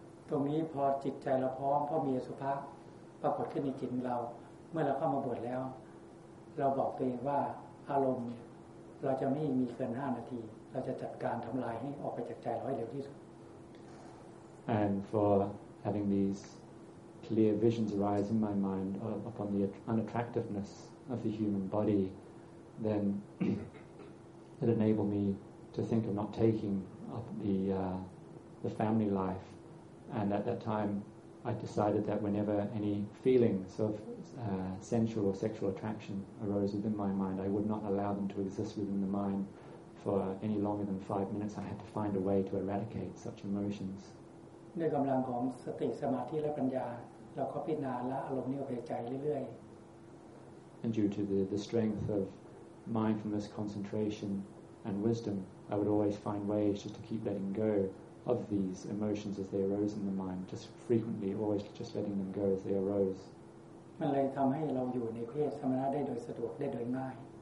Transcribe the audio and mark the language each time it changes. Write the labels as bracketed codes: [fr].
[th] ตรงนี้พอจิตใจเราพร้อมพอมีอสุภะปรากฏขึ้นในจิตเราเมื่อเราเข้ามาบวชแล้วเราบอกตัวเองว่าอารมณ์เราจะไม่มีเกิน5นาทีเราจะจัดการทำลายให้ออกไปจากใจเราให้เร็วที่สุด [en] And for having these clear visions arise in my mind upon the unattractiveness of the human body, then it enabled me. To think of not taking up the family life, and at that time, I decided that whenever any feelings of sensual or sexual attraction arose within my mind, I would not allow them to exist within the mind, for any longer than 5 minutes, I had to find a way to eradicate such emotions. [th] ด้วยกำลังของสติสมาธิและปัญญาเราก็พิจารณาละอารมณ์นี้ออกจากใจเรื่อย [en] ๆ And due to the strength of mindfulness, concentration, and wisdom, I would always find ways just to keep letting go of these emotions as they arose in the mind, just frequently, always just letting them go as they arose. [th] มันเลยทำให้เราอยู่ในเพศสมณะได้โดยสะดวกได้โดยง่าย